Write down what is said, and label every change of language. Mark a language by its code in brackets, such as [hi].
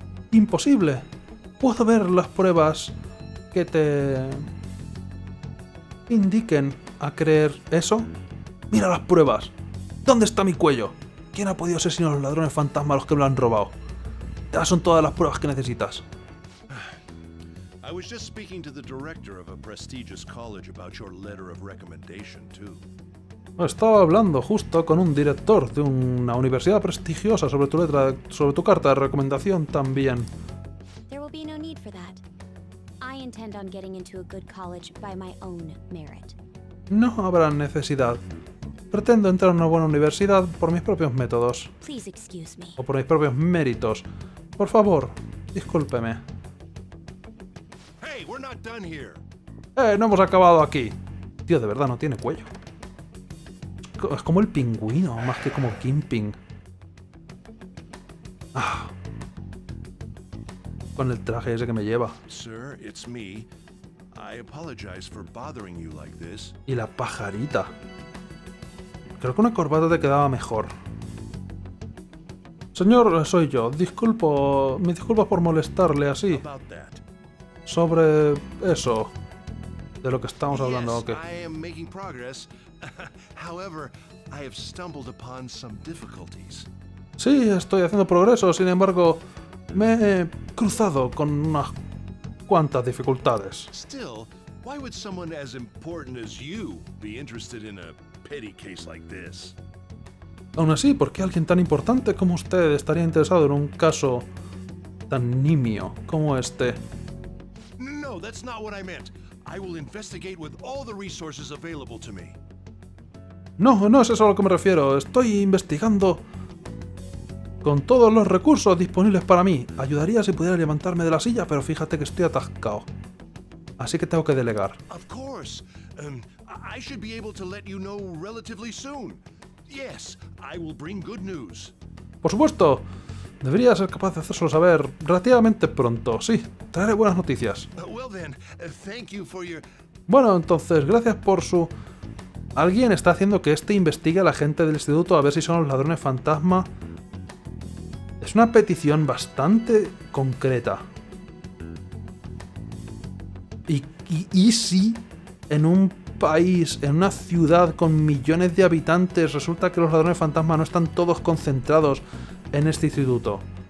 [es] ¡Imposible! Puedo ver las pruebas que te indiquen a creer eso. ¡Mira las pruebas! ¿Dónde está mi cuello? ¿Quién ha podido ser sino los ladrones fantasmas los que me lo han robado? Estas son todas las pruebas que necesitas. [en] I was just speaking to the director of a prestigious college about your letter of recommendation too. [es] Estaba hablando justo con un director de una universidad prestigiosa sobre tu letra, sobre tu carta de recomendación también. [en] There will be no need for that. I intend on getting into a good college by my own merit. [es] No habrá necesidad. Pretendo entrar a una buena universidad por mis propios métodos. [en] Please excuse me. [es] O por mis propios méritos. Por favor, discúlpeme. [en] Hey, we're not done here. [es] No hemos acabado aquí. Tío, de verdad, no tiene cuello. Es como el pingüino, más que como Kingpin. Ah. Con el traje ese que me lleva. [en] Sir, it's me. I apologize for bothering you like this. [es] Y la pajarita. Creo que una corbata te quedaba mejor. Señor, soy yo. Disculpo... Me disculpo por molestarle así. Sobre... eso. De lo que estamos hablando, ok. Sí, estoy haciendo progreso. Sin embargo, [en] he stumbled upon some difficulties. [es] Sí, estoy haciendo progreso. Sin embargo, me he cruzado con unas cuantas dificultades. [en] Still, why would someone as important as you be interested in a petty case like this? [es] Aún así, ¿por qué alguien tan importante como usted estaría interesado en un caso tan nimio como este? [en] No, that's not what I meant. I will investigate with all the resources available to me. [es] No, no es eso a lo que me refiero. Estoy investigando con todos los recursos disponibles para mí. Ayudaría si pudiera levantarme de la silla, pero fíjate que estoy atascado. Así que tengo que delegar. [en] Of course. I should be able to let you know relatively soon. Yes, I will bring good news. [es] Por supuesto. Debería ser capaz de hacérselo saber relativamente pronto. Sí, traeré buenas noticias. [en] Well then, thank you for your... [es] Bueno, entonces, gracias por su... Alguien está haciendo que este investigue a la gente del instituto a ver si son los ladrones fantasma. Es una petición bastante concreta. Y si en un país, en una ciudad con millones de habitantes, resulta que los ladrones fantasma no están todos concentrados en este instituto?